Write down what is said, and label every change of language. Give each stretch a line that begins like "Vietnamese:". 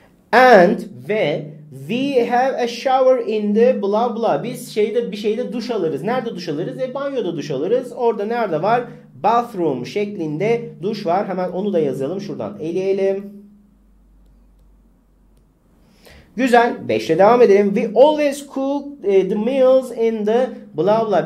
English: And ve we have a shower in the blah blah.
Turkish: Biz şeyde bir şeyde duş alırız. Nerede duş alırız? Banyoda duş alırız. Orada nerede var? Bathroom şeklinde duş var. Hemen onu da yazalım. Şuradan eleyelim. Güzel. 5 ile devam edelim.
English: We always cook the meals in the blah blah.